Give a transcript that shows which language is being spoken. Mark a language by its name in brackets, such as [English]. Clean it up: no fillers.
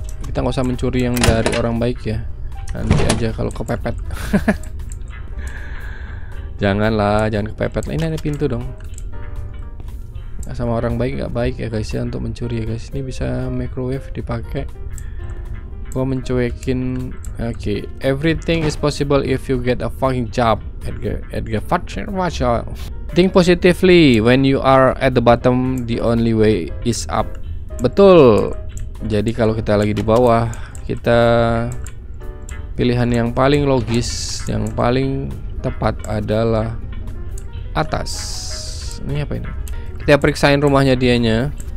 [Indonesian] Kita nggak usah mencuri yang dari orang baik ya. Nanti aja kalau kepepet. jangan kepepet. Ini ada pintu dong. Sama orang baik nggak baik ya guys ya untuk mencuri ya guys. Ini bisa microwave dipakai. Gua mencuekin. [English] Okay, everything is possible if you get a fucking job at the fucking watcher. Think positively when you are at the bottom, the only way is up. [Indonesian] Betul. Jadi kalau kita lagi di bawah, kita pilihan yang paling logis, yang paling tepat adalah atas. Ini apa ini? Kita periksain rumahnya dianya.